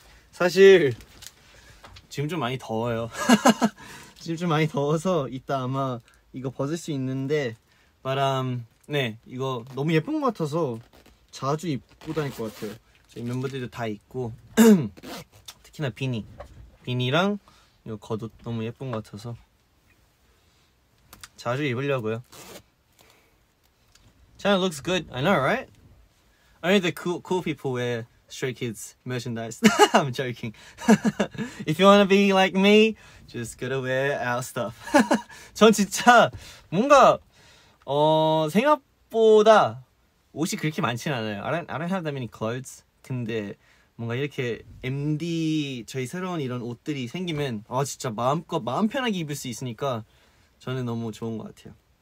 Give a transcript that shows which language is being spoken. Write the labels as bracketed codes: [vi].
[ko] 사실 지금 좀 많이 더워요. 지금 좀 많이 더워서 이따 아마 이거 벗을 수 있는데 바람 네 이거 너무 예쁜 것 같아서 자주 입고 다닐 것 같아요. 저희 멤버들도 다 입고 특히나 비니 비니랑 이거 겉옷 너무 예쁜 것 같아서 자주 입으려고요. [en] China looks good. I know, right? Only the cool people wear Stray Kids merchandise. I'm joking. If you wanna be like me, just gotta wear our stuff. [ko] 전 진짜 뭔가 생각보다 옷이 그렇게 많진 않아요. [en] I don't have that many clothes. [ko] 근데 뭔가 이렇게 MD 저희 새로운 이런 옷들이 생기면 진짜 마음껏 마음 편하게 입을 수 있으니까 저는 너무 좋은 것 같아요.